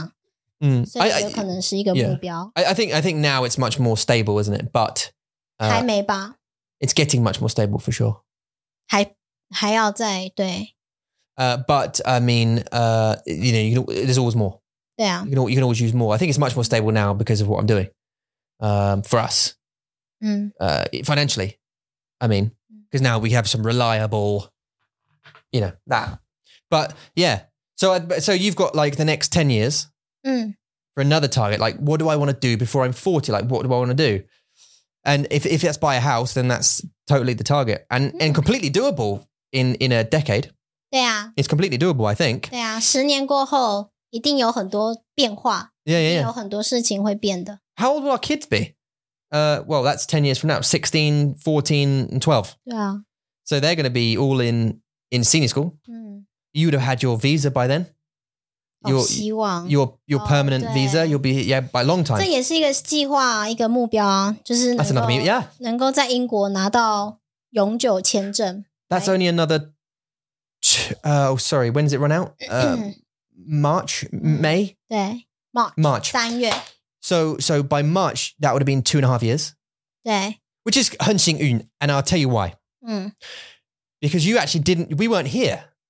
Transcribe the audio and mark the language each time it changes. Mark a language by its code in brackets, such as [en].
[zh] 我觉得30岁还是会把重心放在工作啦，就是会一直想要工作吧，多赚钱，然后让我们的经济能够比较稳定一点，不要上下上下这样。嗯，所以这可能是一个目标。 [en] I think now it's much more stable, isn't it? But [zh] 还没吧? [en] It's getting much more stable for sure. [zh] 还要再对。 [en] But I mean, you know, there's always more. Yeah. You can always use more. I think it's much more stable now because of what I'm doing for us. Mm. Financially, I mean, because now we have some reliable, you know, that. But yeah, so you've got like the next 10 years for another target. Like, what do I want to do before I'm 40? Like, what do I want to do? And if that's buy a house, then that's totally the target and completely doable in a decade. Yeah. It's completely doable, I think. [zh] Yeah, 10年过后.一定有很多变化, [en] yeah, yeah, yeah. [zh] 一定有很多事情会变的。 [en] How old will our kids be? Well, that's 10 years from now, 16, 14, and 12. Yeah. So they're going to be all in senior school. Mm. You would have had your visa by then. Your permanent visa, you'll be, yeah, by long time. [zh] 这也是一个计划，一个目标啊，就是能够在英国拿到永久签证。 [en] That's only another, sorry, when does it run out? March, May? [zh] 对, March. [en] March. [zh] 三月. [en] So by March, that would have been 2.5 years. [zh] 对. [en] Which is 很幸运, and I'll tell you why. Because you actually didn't, we weren't here.